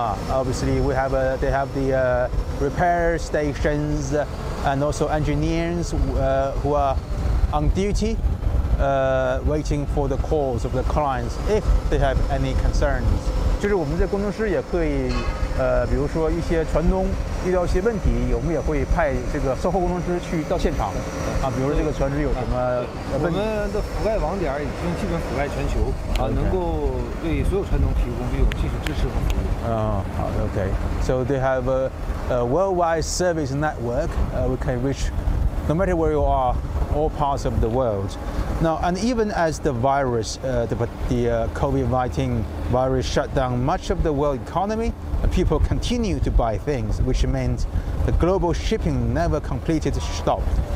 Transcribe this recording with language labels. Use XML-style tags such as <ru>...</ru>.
<en>Obviously, we have they have the repair stations and also engineers who are on duty, waiting for the calls of the clients if they have any concerns.</en> <zh>就是我们的工程师也可以比如说一些船东遇到一些问题我们也会派这个售后工程师去到现场比如说这个船只有什么问题我们的覆盖网点已经基本覆盖全球能够对所有船东提供这种技术支持和服务好的</zh> <en>OK So they have a worldwide service network we can reach no matter where you are all parts of the world Now and even as the virus COVID-19 virus shut down much of the world economyPeople continue to buy things, which means the global shipping never completely stopped.</en>